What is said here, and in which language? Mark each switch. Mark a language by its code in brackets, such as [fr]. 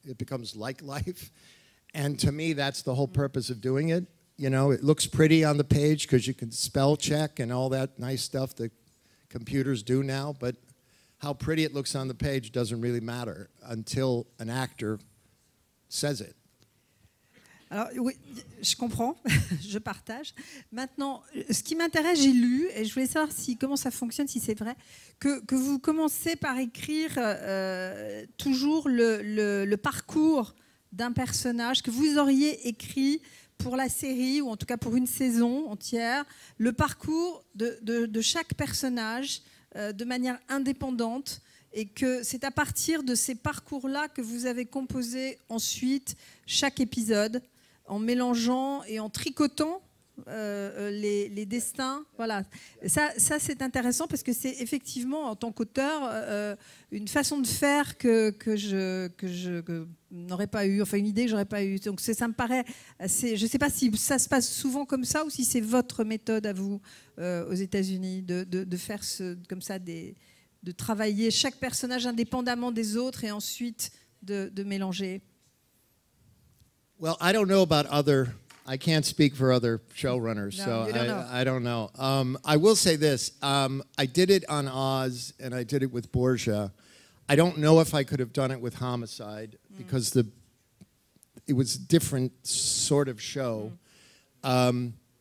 [en] It becomes like life. And to me, that's the whole purpose of doing it. You know, it looks pretty on the page because you can spell check and all that nice stuff that computers do now, but how pretty it looks on the page doesn't really matter until an actor says it. [fr] Alors, oui, je comprends, je partage. Maintenant, ce qui m'intéresse, j'ai lu, et je voulais savoir si, comment ça fonctionne, si c'est vrai, que vous commencez par écrire toujours le parcours d'un personnage que vous auriez écrit pour la série, ou en tout cas pour une saison entière, le parcours de chaque personnage de manière indépendante, et que c'est à partir de ces parcours-là que vous avez composé ensuite chaque épisode, en mélangeant et en tricotant les destins. Voilà. Ça, c'est intéressant parce que c'est effectivement, en tant qu'auteur, une façon de faire que je n'aurais pas eu, enfin une idée que j'aurais pas eu. Donc ça me paraît assez, je ne sais pas si ça se passe souvent comme ça ou si c'est votre méthode à vous aux États-Unis de faire ce, comme ça, de travailler chaque personnage indépendamment des autres et ensuite de mélanger. [en] Well, I don't know about other, I can't speak for other showrunners, I don't know. I will say this, I did it on Oz and I did it with Borgia. I don't know if I could have done it with Homicide because it was a different sort of show. Mm.